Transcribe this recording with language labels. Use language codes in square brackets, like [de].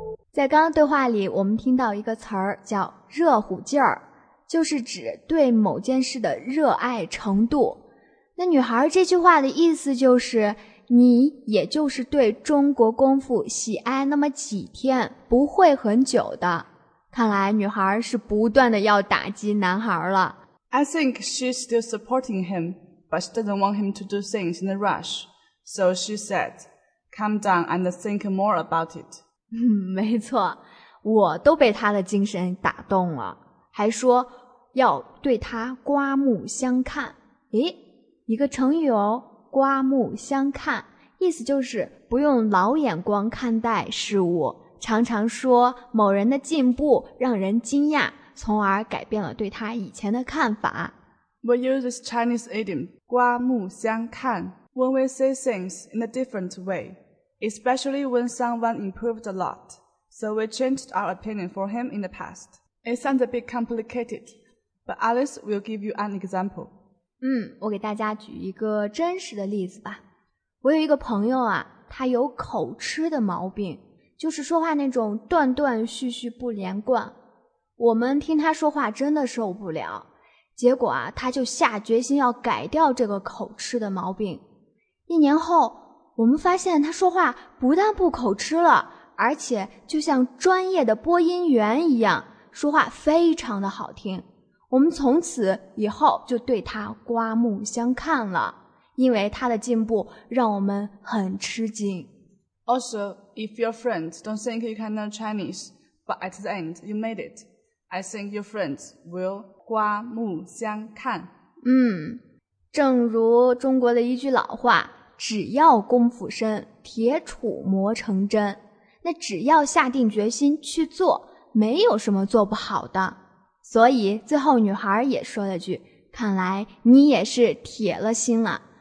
[zh] 在刚刚对话里，我们听到一个词儿叫热乎劲儿，就是指对某件事的热爱程度。那女孩这句话的意思就是，你也就是对中国功夫喜爱那么几天，不会很久的。看来女孩是不断的要打击男孩了。 [en] I think she's still supporting him, but she doesn't want him to do things in a rush. So she said, calm down and think more about it. [zh] 没错，我都被她的精神打动了，还说要对她刮目相看。诶，一个成语哦，刮目相看，意思就是不用老眼光看待事物，常常说某人的进步让人惊讶，从而改变了对他以前的看法。 [en] We use this Chinese idiom 刮目相看 when we see things in a different way, especially when someone improved a lot, so we changed our opinion for him in the past. It sounds a bit complicated, but Alice will give you an example. [zh] 我给大家举一个真实的例子吧。我有一个朋友啊，他有口吃的毛病，就是说话那种断断续续不连贯，我们听他说话真的受不了。结果啊，他就下决心要改掉这个口吃的毛病。一年后，我们发现他说话不但不口吃了，而且就像专业的播音员一样，说话非常的好听。我们从此以后就对他刮目相看了，因为他的进步让我们很吃惊。 [en] Also, if your friends don't think you can learn Chinese, but at the end you made it, I think your friends will 刮目相看。 [zh] 正如中国的一句老话，只要功夫深，铁杵磨成针。那只要下定决心去做，没有什么做不好的。所以最后女孩也说了句，看来你也是铁了心了。